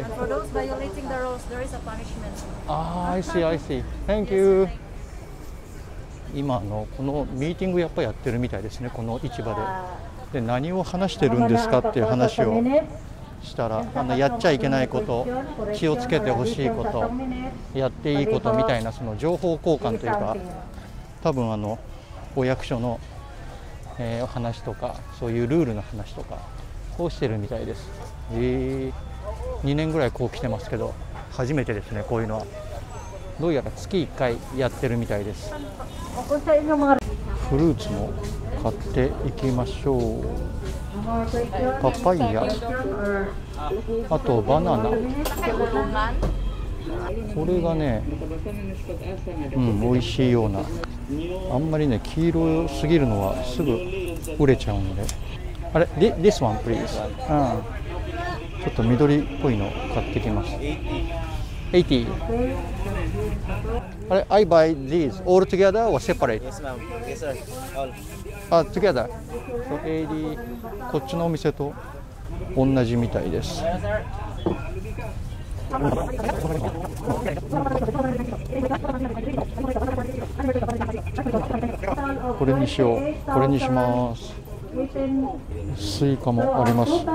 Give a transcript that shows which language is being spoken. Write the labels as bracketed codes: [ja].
[en] And for those violating the rules, there is a punishment. I see. Thank you. [ja] 今のこのミーティングやっぱやってるみたいですね、この市場で。で、何を話してるんですかっていう話をしたら、やっちゃいけないこと、気をつけてほしいこと、やっていいことみたいな、その情報交換というか、多分お役所の、話とか、そういうルールの話とかをしてるみたいです。 2年ぐらいこう来てますけど、初めてですね、こういうのは。どうやら月1回やってるみたいです。フルーツも買っていきましょう。パパイヤ、あとバナナ、これがね、美味しいような。あんまりね、黄色すぎるのはすぐ売れちゃうので。あれ、 [en] This one please、 [ja] ちょっと緑っぽいの買ってきました。 [en] 80. I buy these all together or separate? Yes, ma'am. Yes, sir. All. Together. So 80. [ja] こっちのお店と同じみたいです。これにしよう。これにします。スイカもあります。